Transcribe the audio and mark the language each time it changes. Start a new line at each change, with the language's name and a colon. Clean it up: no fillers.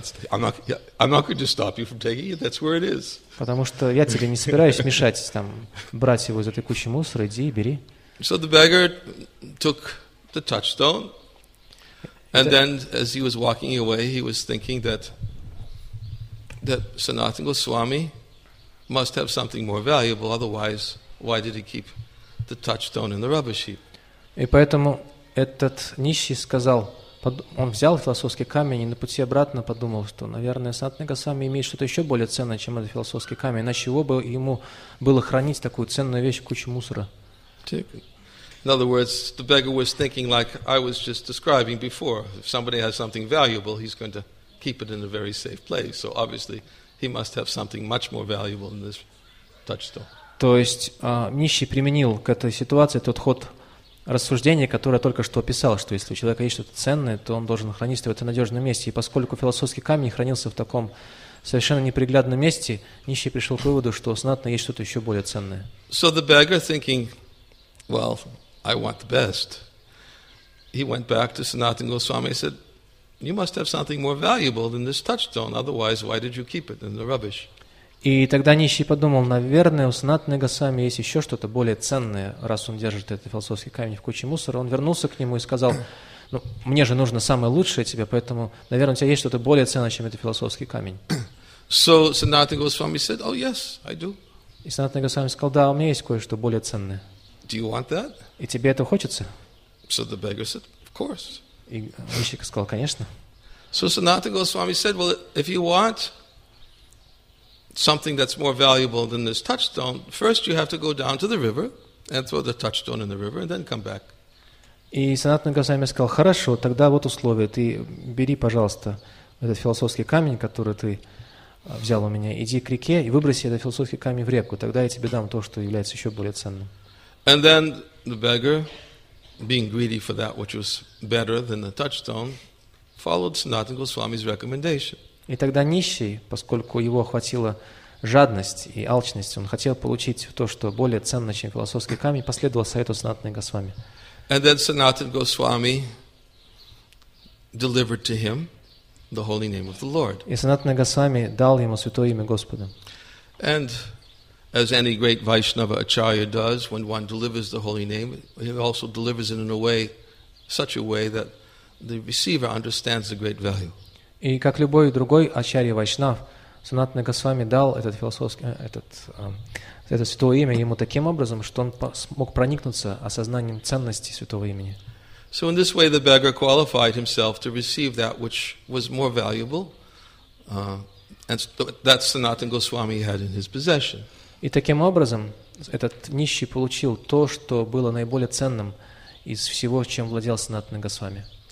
English: I'm not going to stop you from taking it. That's where it is.
Russian: Потому что я тебе не собираюсь мешать там брать его из этой кучи мусора. Иди и бери.
English: So the beggar took the touchstone, and then as he was walking away, he was thinking that Sanatana Goswami must have something more valuable. Otherwise, why did he keep the touchstone in the rubbish heap?
Russian: И поэтому этот нищий сказал. Он взял философский камень и на пути обратно подумал, что, наверное, Санатана Госвами имеет что-то еще более ценное, чем этот философский камень. Иначе чего бы ему было хранить такую ценную вещь в куче мусора?
English: In other words, the beggar was thinking like I was just describing before. If somebody has something valuable, he's going to keep it in a very safe place. So obviously, he must have something much more valuable than this touchstone.
Russian: То есть нищий применил к этой ситуации тот ход рассуждение, которое я только что описал, что если у человека есть что-то ценное, то он должен хранить его в надежном месте. И поскольку философский камень хранился в таком совершенно неприглядном месте, нищий пришел к выводу, что у Санатана есть что-то еще более ценное.
English: So the beggar thinking, well, I want the best. He went back to Sanatana Goswami and said, you must have something more valuable than this touchstone, otherwise why did you keep it in the rubbish?
Russian: И тогда нищий подумал, наверное, у Санатаны Госвами есть еще что-то более ценное, раз он держит этот философский камень в куче мусора. Он вернулся к нему и сказал, ну, мне же нужно самое лучшее тебе, поэтому, наверное, у тебя есть что-то более ценное, чем этот философский камень.
English: So Sanatana Goswami said, oh yes, I do.
Russian: И Санатана Госвами сказал, да, у меня есть кое-что более ценное.
English: Do you want that?
Russian: И тебе это хочется?
English: So the beggar said, of course.
Russian: И нищий сказал, конечно.
English: So Sanatana Goswami said, well, if you want something that's more valuable than this touchstone, first you have to go down to the river and throw the touchstone in the river and then come back.
Russian: И Санатана Госвами сказал, хорошо, тогда вот условие, ты бери, пожалуйста, этот философский камень, который ты взял у меня, иди к реке и выброси этот философский камень в реку, тогда я тебе дам то, что является еще более ценным.
English: And then the beggar, being greedy for that which was better than the touchstone, followed Sanatana Goswami's recommendation.
Russian: И тогда нищий, поскольку его охватила жадность и алчность, он хотел получить то, что более ценно, чем философский камень, последовал совету Санатаны Госвами.
English: And then Sanatana Goswami delivered to him the holy name of the Lord.
Russian: И Санатана Госвами дал ему святое имя Господа.
English: And as any great Vaishnava acharya does, when one delivers the holy name, he also delivers it in a way, such a way that the receiver understands the great value.
Russian: И как любой другой ачарья вайшнав, Санатана Госвами дал этот это святое имя ему таким образом, что он смог проникнуться осознанием ценности святого имени.
English: So in this way, the beggar qualified himself to receive that which was more valuable, and that Sanatana Goswami had in his possession.
Russian: И таким образом этот нищий получил то, что было наиболее ценным из всего, чем владел Санатана Госвами.